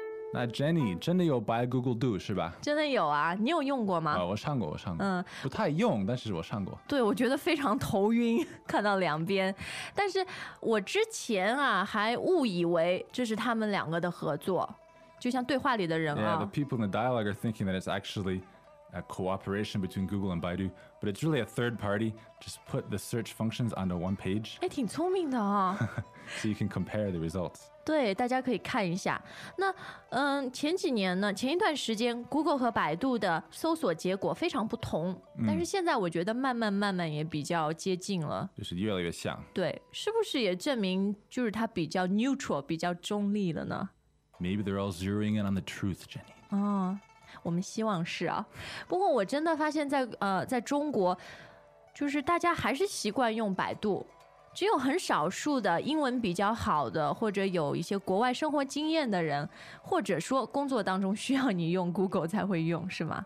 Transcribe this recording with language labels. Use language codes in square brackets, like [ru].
[zh] 那 Jenny 真的有 by Google Do 是吧？真的有啊，你有用过吗？我上过，我上过，不太用，但是我上过。对，我觉得非常头晕，看到两边。但是我之前啊，还误以为这是他们两个的合作，就像对话里的人啊。 [en] Yeah, the people in the dialogue are thinking that it's actually a cooperation between Google and Baidu, but it's really a third party just put the search functions onto one page. [zh] 哎，挺聪明的啊。 [en] So you can compare the results. [zh] 对，大家可以看一下。那嗯，前几年呢，前一段时间 Google 和百度的搜索结果非常不同，但是现在我觉得慢慢也比较接近了，就是越来越像。对，是不是也证明就是它比较 neutral， 比较中立了呢？ [en] Maybe they're all zeroing in on the truth, Jenny. [zh] 哦，我们希望是啊。不过我真的发现在中国，就是大家还是习惯用百度，只有很少数的英文比较好的，或者有一些国外生活经验的人，或者说工作当中需要你用 Google 才会用，是吗？